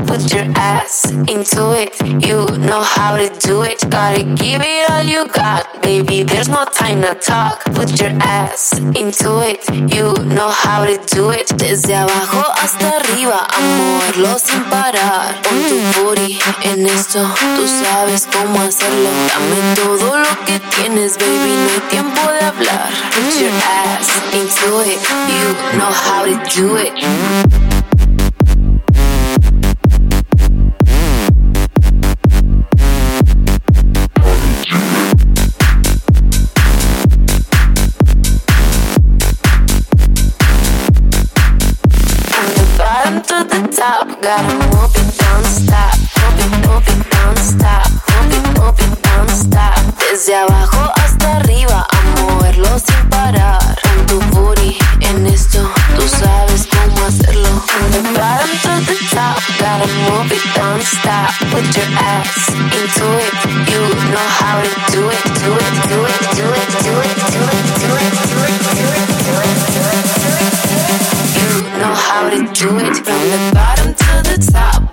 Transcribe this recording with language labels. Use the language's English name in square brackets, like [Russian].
[English] Put your ass into it, you know how to do it. Gotta give it all you got, baby, there's no time to talk. Put your ass into it, you know how to do it. [Spanish] Desde abajo hasta arriba, a moverlo sin parar. Pon tu booty en esto, tú sabes cómo hacerlo. Dame todo lo que tienes, baby, no hay tiempo de hablar. [English] Put your ass into it, you know how to do it. Gotta move it, don't stop. Move it, don't stop. Move it, don't stop. [Spanish] Desde abajo hasta arriba, a moverlo sin parar. Con tu booty en esto, tú sabes cómo hacerlo. [English] From the bottom to the top, gotta move it, don't stop. Put your ass into it, you know how to do it. Do it, do it, do it, do it, do it. Do it from the bottom to the top.